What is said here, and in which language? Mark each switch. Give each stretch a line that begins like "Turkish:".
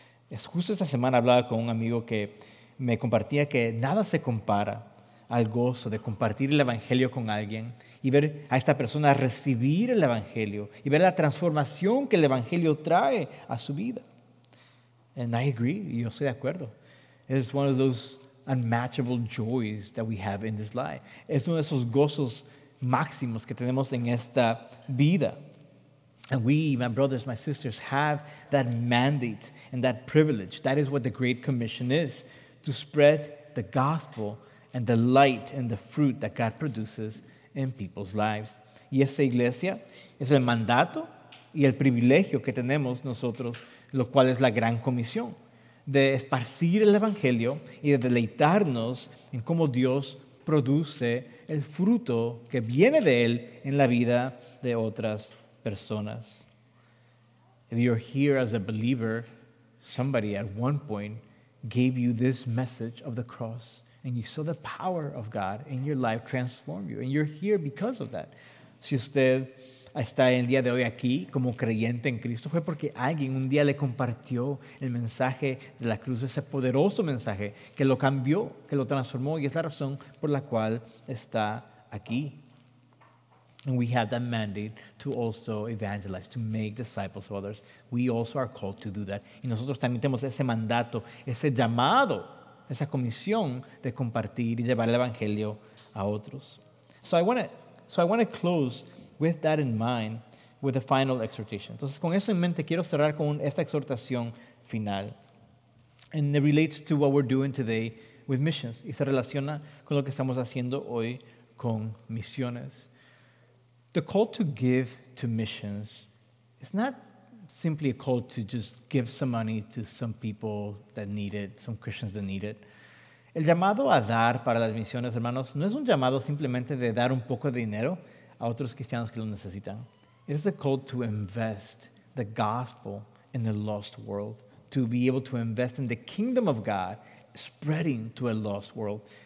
Spanish: Es justo esta semana hablaba con un amigo que me compartía que nada se compara al gozo de compartir el Evangelio con alguien y ver a esta persona recibir el Evangelio y ver la transformación que el Evangelio trae a su vida.
English: And I agree,
Spanish: yo estoy de acuerdo.
English: It's one of those unmatchable joys that we have in this life.
Spanish: Es uno de esos gozos máximos que tenemos en esta vida.
English: And we, my brothers, my sisters, have that mandate and that privilege. That is what the Great Commission is, to spread the gospel and the light and the fruit that God produces in people's lives.
Spanish: Y esa iglesia es el mandato y el privilegio que tenemos nosotros, lo cual es la gran comisión, de esparcir el evangelio y de deleitarnos en cómo Dios produce el fruto que viene de Él en la vida de otras personas.
English: If you're here as a believer, somebody at one point gave you this message of the cross, and you saw the power of God in your life transform you, and you're here because of that.
Spanish: Si usted está el día de hoy aquí como creyente en Cristo, fue porque alguien un día le compartió el mensaje de la cruz, ese poderoso mensaje que lo cambió, que lo transformó, y es la razón por la cual está aquí.
English: And we have that mandate to also evangelize, to make disciples of others. We also are called to do that.
Spanish: Y nosotros también tenemos ese mandato, ese llamado, esa comisión de compartir y llevar el evangelio a otros.
English: So I want to close with that in mind with a final exhortation.
Spanish: Entonces, con eso en mente, quiero cerrar con esta exhortación final.
English: And it relates to what we're doing today with missions.
Spanish: Y se relaciona con lo que estamos haciendo hoy con misiones.
English: The call to give to missions is not simply a call to just give some money to some people that need it, some Christians that need it.
Spanish: El llamado a dar para las misiones, hermanos, no es un llamado simplemente de dar un poco de dinero a otros cristianos que lo necesitan.
English: It is a call to invest the gospel in a lost world, to be able to invest in the kingdom of God, spreading to a lost world.